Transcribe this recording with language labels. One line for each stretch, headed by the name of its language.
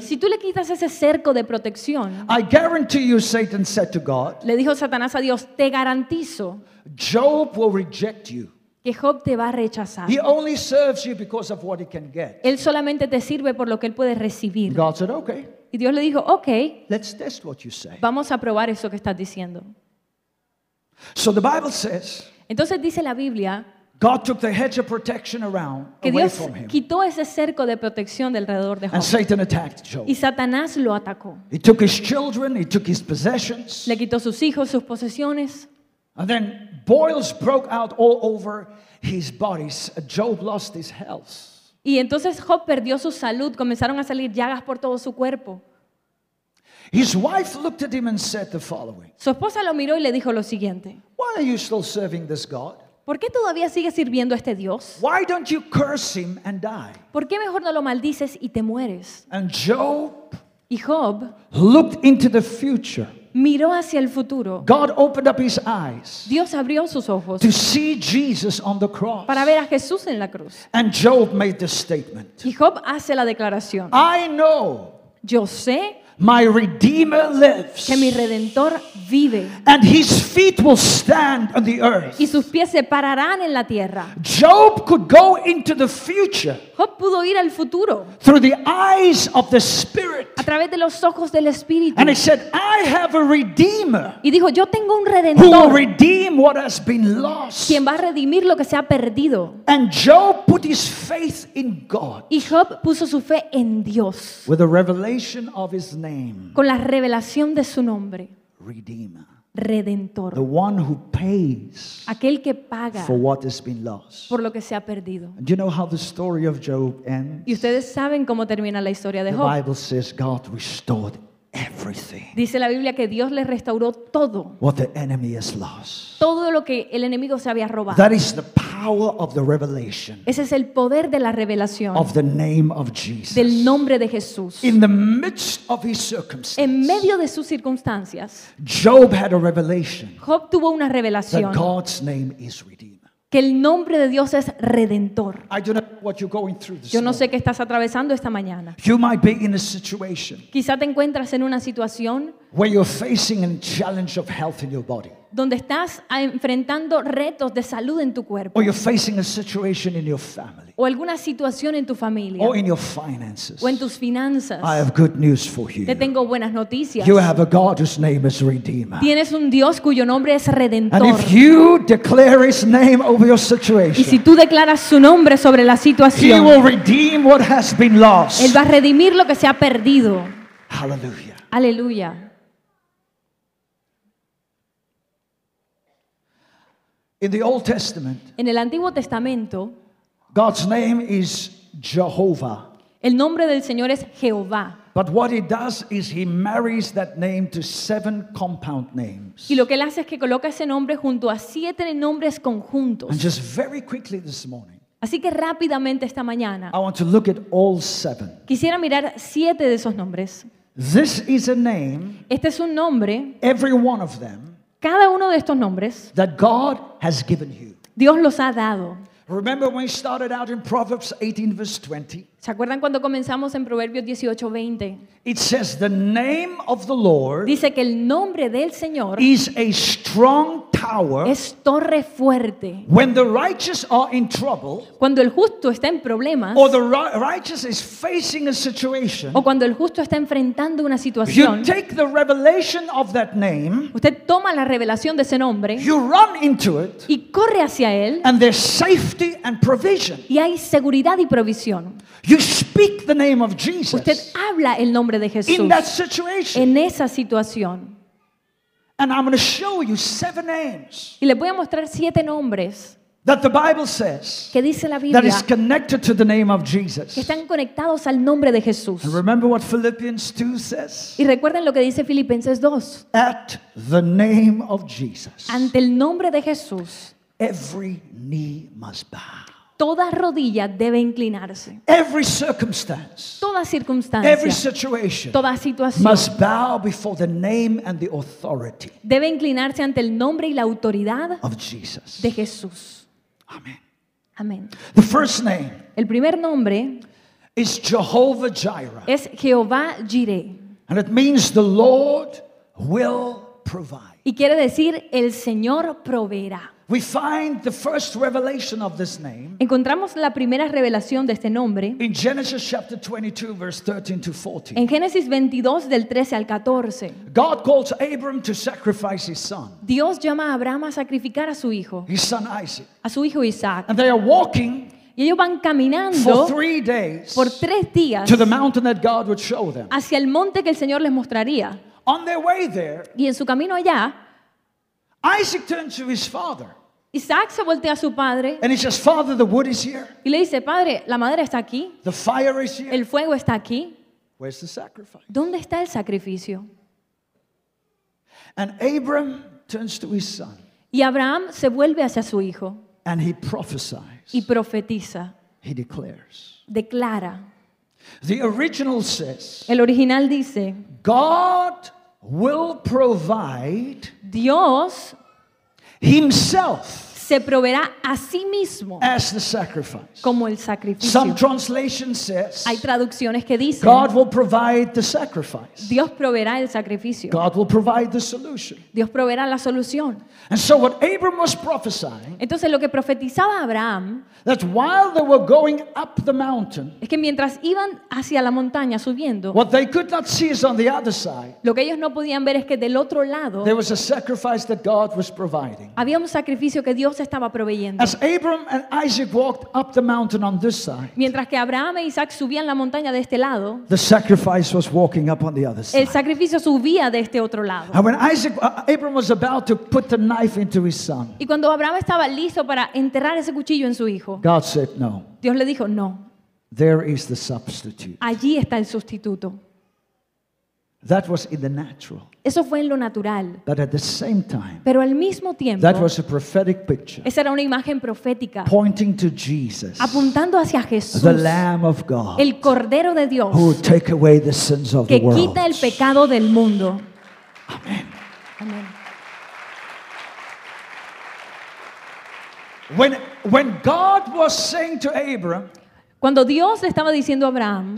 Spanish: si tú le quitas ese cerco de protección,
English: I guarantee you, Satan said to God,
Spanish: le dijo Satanás a Dios, te garantizo,
English: Job will reject you.
Spanish: Que Job te va a rechazar.
English: He only serves you because of what he can get.
Spanish: Él solamente te sirve por lo que él puede recibir.
English: God said, okay.
Spanish: Y Dios le dijo, okay.
English: Let's test what you say.
Spanish: Vamos a probar eso que estás diciendo.
English: So the Bible says.
Spanish: Entonces dice la Biblia.
English: God took the hedge of protection around away from him.
Spanish: Que Dios quitó ese cerco de protección de alrededor de Job.
English: And Satan attacked Job.
Spanish: Y Satanás lo atacó.
English: He took his children. He took his possessions.
Spanish: Le quitó sus hijos, sus posesiones.
English: And then boils broke out all over his body. Job lost his health.
Spanish: Y entonces Job perdió su salud. Comenzaron a salir llagas por todo su cuerpo.
English: His wife looked at him and said the following.
Spanish: Su esposa lo miró y le dijo lo siguiente.
English: Why are you still serving this God?
Spanish: ¿Por qué todavía sigues sirviendo a este Dios?
English: Why don't you curse him and die?
Spanish: ¿Por qué mejor no lo maldices y te mueres?
English: And Job,
Spanish: y Job
English: looked into the future.
Spanish: Miró hacia el futuro.
English: God opened up his eyes.
Spanish: Dios abrió sus ojos.
English: To see Jesus on the cross.
Spanish: Para ver a Jesús en la cruz.
English: And Job made the statement.
Spanish: Y Job hace la declaración.
English: I know.
Spanish: Yo sé.
English: My Redeemer lives.
Spanish: Que mi Redentor vive.
English: And his feet will stand on the earth.
Spanish: Y sus pies se pararán en la tierra.
English: Job could go into the future.
Spanish: Job pudo ir al futuro.
English: Through the eyes of the Spirit.
Spanish: A través de los ojos del Espíritu.
English: And he said, I have a Redeemer.
Spanish: Y dijo, yo tengo un Redentor.
English: Who will redeem what has been lost.
Spanish: Quien va a redimir lo que se ha perdido.
English: And Job put his faith in God.
Spanish: Y Job puso su fe en Dios.
English: With a revelation of his name.
Spanish: Con la revelación de su nombre.
English: Redeemer.
Spanish: Redentor.
English: The one who pays.
Spanish: Aquel que paga.
English: For what has been lost.
Spanish: Por lo que se ha perdido.
English: Do you know how the story of Job ends?
Spanish: ¿Y ustedes saben cómo termina la historia de Job?
English: The Bible says God restored everything.
Spanish: Dice la Biblia que Dios le restauró todo.
English: What the enemy has lost.
Spanish: Todo lo que el enemigo se había robado.
English: That is the power of the revelation.
Spanish: Ese es el poder de la revelación.
English: Of the name of Jesus.
Spanish: Del nombre de Jesús.
English: In the midst of his circumstances.
Spanish: En medio de sus circunstancias.
English: Job had a revelation.
Spanish: Job tuvo una revelación.
English: That God's name is Redeemer.
Spanish: Que el nombre de Dios es Redentor.
English: I don't know what you're going through this
Spanish: Yo no sé qué estás atravesando esta mañana.
English: You might be in a situation.
Spanish: Quizá te encuentras en una situación.
English: Where you're facing a challenge of health in your body.
Spanish: Donde estás enfrentando retos de salud en tu cuerpo.
English: Or you're facing a situation in your family.
Spanish: O alguna situación en tu familia.
English: Or in your finances.
Spanish: O en tus finanzas.
English: I have good news for you.
Spanish: Te tengo buenas noticias.
English: You have a God whose name is Redeemer.
Spanish: Tienes un Dios cuyo nombre es Redentor.
English: And if you declare his name over your situation,
Spanish: y si tú declaras su nombre sobre la situación,
English: he will redeem what has been lost.
Spanish: Él va a redimir lo que se ha perdido.
English: Hallelujah.
Spanish: Aleluya.
English: In the Old Testament,
Spanish: en el Antiguo Testamento,
English: God's name is Jehovah.
Spanish: El nombre del Señor es Jehová.
English: But what he does is he marries that name to seven compound names.
Spanish: Y lo que él hace es que coloca ese nombre junto a siete nombres conjuntos.
English: And just very quickly this morning.
Spanish: Así que rápidamente esta mañana.
English: I want to look at all seven.
Spanish: Quisiera mirar siete de esos nombres.
English: This is a name.
Spanish: Este es un nombre.
English: Every one of them.
Spanish: Cada uno de estos nombres
English: that God has given you.
Spanish: Dios los ha dado.
English: Remember when we started out in Proverbs 18 verse 20?
Spanish: ¿Se acuerdan cuando comenzamos en Proverbios 18:20?
English: It says the name of the Lord.
Spanish: Dice que el nombre del Señor
English: is a strong tower.
Spanish: Es torre fuerte.
English: When the righteous are in trouble.
Spanish: Cuando el justo está en problemas.
English: Or the righteous is facing a situation.
Spanish: O cuando el justo está enfrentando una situación.
English: You take the revelation of that name.
Spanish: Usted toma la revelación de ese nombre.
English: You run into it.
Spanish: Y corre hacia él.
English: And there's safety and provision.
Spanish: Y hay seguridad y provisión.
English: You speak the name of Jesus.
Spanish: Usted habla el nombre de Jesús.
English: In that situation.
Spanish: En esa situación.
English: And I'm going to show you seven names.
Spanish: Y le voy a mostrar siete nombres.
English: That the Bible says.
Spanish: Que dice la Biblia.
English: That is connected to the name of Jesus.
Spanish: Que están conectados al nombre de Jesús.
English: And remember what Philippians 2 says.
Spanish: Y recuerden lo que dice Filipenses 2.
English: At the name of Jesus.
Spanish: Ante el nombre de Jesús.
English: Every knee must bow.
Spanish: Toda rodilla debe inclinarse.
English: Every circumstance.
Spanish: Toda circunstancia.
English: Every situation.
Spanish: Toda situación.
English: Must bow before the name and the authority.
Spanish: Debe inclinarse ante el nombre y la autoridad
English: of Jesus.
Spanish: De Jesús.
English: Amen.
Spanish: Amen.
English: The first name.
Spanish: El primer nombre
English: is Jehovah Jireh.
Spanish: Es Jehová Jireh.
English: And it means the Lord will provide.
Spanish: Y quiere decir el Señor proveerá.
English: We find the first revelation of this name.
Spanish: Encontramos la primera revelación de este nombre.
English: In Genesis chapter 22 verse 13 to 14.
Spanish: En Génesis 22 del 13 al 14.
English: God calls Abram to sacrifice his son.
Spanish: Dios llama a Abraham a sacrificar a su hijo.
English: His son Isaac.
Spanish: A su hijo Isaac.
English: And they are walking.
Spanish: Y ellos van caminando
English: for 3 days
Spanish: por tres días
English: to the mountain that God would show them.
Spanish: Hacia el monte que el Señor les mostraría.
English: On their way there.
Spanish: Y en su camino allá.
English: Isaac turns to his father.
Spanish: Isaac se voltea a su padre.
English: And he says, "Father, the wood is here."
Spanish: Y le dice, padre, la madera está aquí.
English: The fire is here.
Spanish: El fuego está aquí.
English: Where's the sacrifice?
Spanish: ¿Dónde está el sacrificio?
English: And Abram turns to his son.
Spanish: Y Abraham se vuelve hacia su hijo.
English: And he prophesies.
Spanish: Y profetiza.
English: He declares.
Spanish: Declara.
English: The original says.
Spanish: El original dice.
English: God will provide
Spanish: Dios
English: himself
Spanish: se proveerá a sí mismo
English: as the sacrifice.
Spanish: Como el sacrificio.
English: Some translation says,
Spanish: hay traducciones que dicen,
English: God will provide the sacrifice.
Spanish: Dios proveerá el sacrificio.
English: God will provide the solution.
Spanish: Dios proveerá la solución.
English: And so what Abram was prophesying,
Spanish: entonces lo que profetizaba Abraham,
English: that while they were going up the mountain,
Spanish: es que mientras iban hacia la montaña subiendo,
English: what they could not see is on the other side,
Spanish: lo que ellos no podían ver es que del otro lado,
English: there was a sacrifice that God was providing.
Spanish: Había un sacrificio que Dios estaba proveyendo.
English: As Abram and Isaac walked up the mountain on this side,
Spanish: mientras que Abraham e Isaac subían la montaña de este lado,
English: the sacrifice was walking up on the other side.
Spanish: El sacrificio subía de este otro lado.
English: And when Isaac, Abram was about to put the knife into his son,
Spanish: y cuando Abraham estaba listo para enterrar ese cuchillo en su hijo,
English: God said no.
Spanish: Dios le dijo no.
English: There is the substitute.
Spanish: Allí está el sustituto.
English: That was in the natural.
Spanish: Eso fue en lo natural.
English: But at the same time,
Spanish: pero al mismo tiempo,
English: that was a prophetic picture.
Spanish: Esa era una imagen profética.
English: Pointing to Jesus.
Spanish: Apuntando hacia Jesús.
English: The Lamb of God.
Spanish: El Cordero de Dios.
English: Who would take away the sins of the world.
Spanish: Que quita el pecado del mundo.
English: Amen.
Spanish: Amen.
English: When God was saying to Abraham,
Spanish: cuando Dios le estaba diciendo a Abraham,